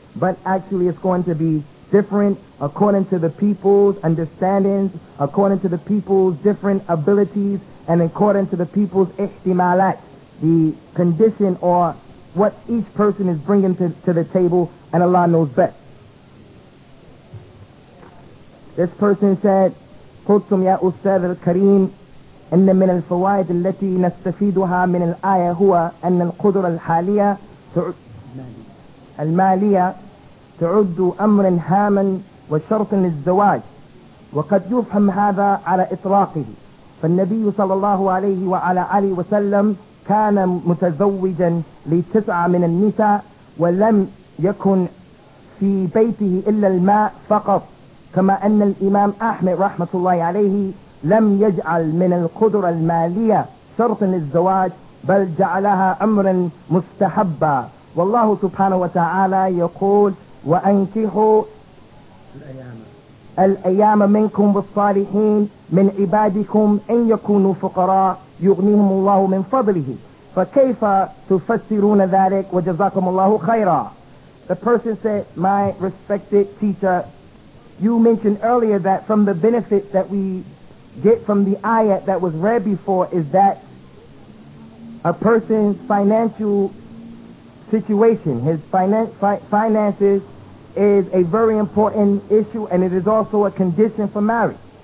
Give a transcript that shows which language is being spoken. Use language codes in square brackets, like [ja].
[en] but actually it's going to be different according to the people's understandings, according to the people's different abilities, and according to the people's ihtimalat, the condition or what each person is bringing to the table, and Allah knows best. This person said, [ar] قُلْتُمْ يَا أُسْتَاذَ الْكَرِيمِ أَنَّ مِنَ الْفَوَائِدِ الَّتِي نَسْتَفِيدُهَا مِنَ الْآيَةِ هُوَ أَنَّ الْقُدُرَ الْحَالِيَةِ الْمَالِيَةِ تُعُدُّ أَمْرًا هَامًا وَشَرْطًا لِلزَّوَاجِ وَقَدْ يُفْهَمْ هَذَا عَلَى إِطْلَاقِهِ فالنبي صلى الله عليه وعلى آله وسلم كان متزوجا لتسعة من النساء ولم يكن في بيته إلا الماء فقط كما أن الإمام أحمد رحمة الله عليه لم يجعل من القدرة المالية شرطا للزواج بل جعلها أمرا مستحبا والله سبحانه وتعالى يقول وأنكحوا الأيام منكم بالصالحين من عبادكم إن يكونوا فقراء يغنيهم الله من فضله فكيف تفسرون ذلك وجزاكم الله خيرا. [en] The person said, my respected teacher, you mentioned earlier that from the benefit that we get from the ayat that was read before is that a person's financial situation, his finances is a very important issue, and it is also a condition for marriage.